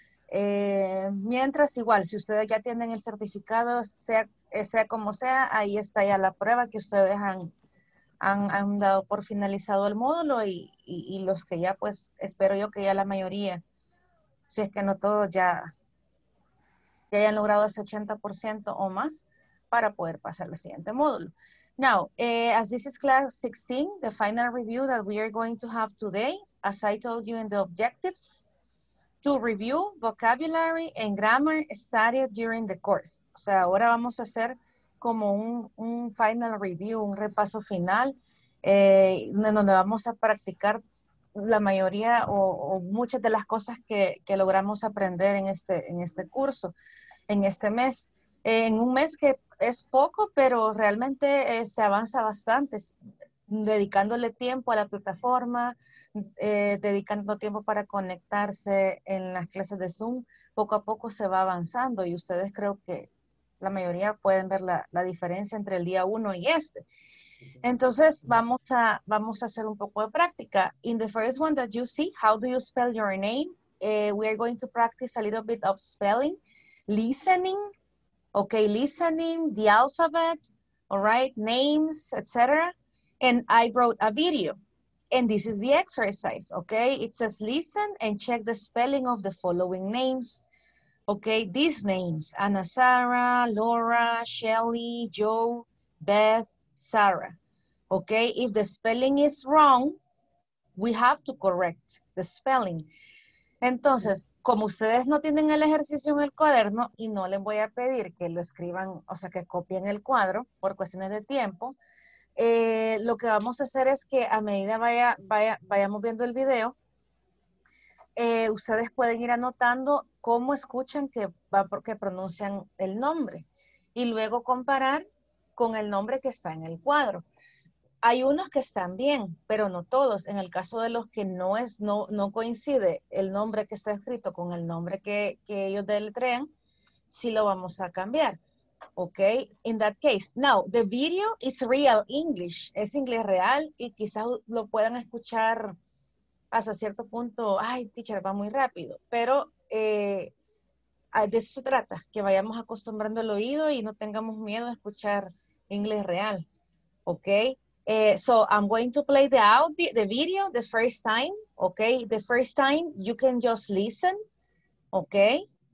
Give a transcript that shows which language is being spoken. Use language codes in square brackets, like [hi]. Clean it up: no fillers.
[es] Mientras, igual, si ustedes ya tienen el certificado, sea como sea, ahí está ya la prueba que ustedes han dado por finalizado el módulo y los que ya, pues, espero yo que ya la mayoría, si es que no todos, ya hayan logrado ese 80% o más para poder pasar al siguiente módulo. [en] Now, as this is class 16, the final review that we are going to have today, as I told you in the objectives, to review vocabulary and grammar studied during the course. [es] O sea, ahora vamos a hacer como un final review, un repaso final, en donde vamos a practicar la mayoría o muchas de las cosas que logramos aprender en este curso, en este mes. En un mes que es poco, pero realmente se avanza bastante, dedicándole tiempo a la plataforma, dedicando tiempo para conectarse en las clases de Zoom. Poco a poco se va avanzando y ustedes creo que la mayoría pueden ver la diferencia entre el día 1 y este. Entonces, vamos a hacer un poco de práctica. [en] In the first one that you see, how do you spell your name? We are going to practice a little bit of spelling. Listening, okay, listening, the alphabet, all right, names, etc. And I wrote a video. And this is the exercise, okay? It says listen and check the spelling of the following names. Okay, these names, Ana Sara, Laura, Shelly, Joe, Beth, Sarah. Okay, if the spelling is wrong, we have to correct the spelling. [es] Entonces, como ustedes no tienen el ejercicio en el cuaderno y no les voy a pedir que lo escriban, o sea, que copien el cuadro por cuestiones de tiempo, lo que vamos a hacer es que a medida vayamos viendo el video, ustedes pueden ir anotando cómo escuchan que va porque pronuncian el nombre y luego comparar con el nombre que está en el cuadro. Hay unos que están bien, pero no todos. En el caso de los que no coincide el nombre que está escrito con el nombre que ellos deletrean, sí lo vamos a cambiar. [en] Ok, in that case. Now, the video is real English. [es] Es inglés real y quizás lo puedan escuchar hasta cierto punto. Ay, teacher, va muy rápido. Pero de eso se trata, que vayamos acostumbrando el oído y no tengamos miedo a escuchar inglés real. Ok. [en] So I'm going to play the video the first time, okay? The first time you can just listen, okay?